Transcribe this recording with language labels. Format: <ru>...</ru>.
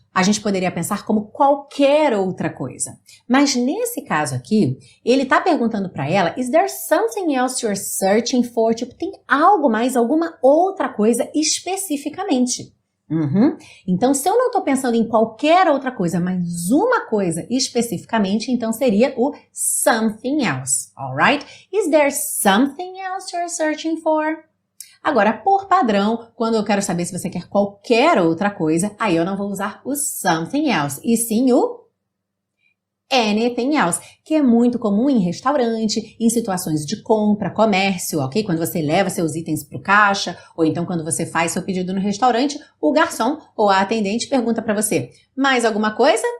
<pt>A gente poderia pensar como qualquer outra coisa. Mas nesse caso aqui, ele está perguntando para ela,</pt> <en>is there something else you're searching for?</en> <pt>Tipo, tem algo mais, alguma outra coisa especificamente? Então, se eu não estou pensando em qualquer outra coisa, mas uma coisa especificamente, então seria o something else, alright?</pt> <en>Is there something else you're searching for?</en> <pt>Agora, por padrão, quando eu quero saber se você quer qualquer outra coisa, aí eu não vou usar o something else, e sim o anything else, que é muito comum em restaurante, em situações de compra, comércio, ok? Quando você leva seus itens para o caixa, ou então quando você faz seu pedido no restaurante, o garçom ou a atendente pergunta para você, mais alguma coisa?</pt>